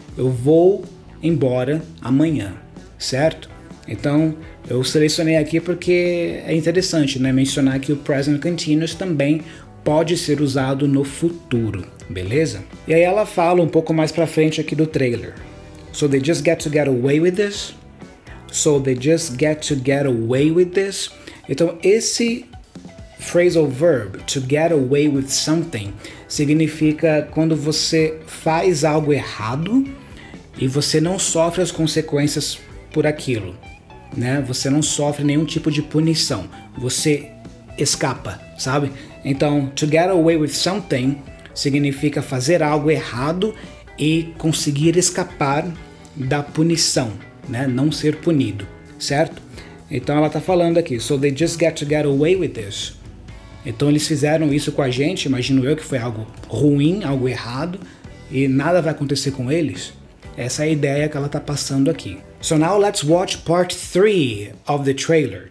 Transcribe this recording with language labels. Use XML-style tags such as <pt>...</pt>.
<pt>Eu vou embora amanhã, certo? Então, eu selecionei aqui porque é interessante, né, mencionar que o present continuous também pode ser usado no futuro, beleza? E aí ela fala um pouco mais pra frente aqui do trailer.</pt> <en>So they just get to get away with this? So they just get to get away with this?</en> <pt>Então, esse phrasal verb,</pt> <en>to get away with something,</en> <pt>significa quando você faz algo errado e você não sofre as consequências por aquilo, né? Você não sofre nenhum tipo de punição, você escapa, sabe? Então,</pt> <en>to get away with something</en> <pt>significa fazer algo errado e conseguir escapar da punição, né? Não ser punido, certo? Então ela tá falando aqui,</pt> <en>so they just get to get away with this.</en> <pt>Então eles fizeram isso com a gente, imagino eu que foi algo ruim, algo errado, e nada vai acontecer com eles. Essa é a ideia que ela tá passando aqui.</pt> <en>So now let's watch part 3 of the trailer.</en>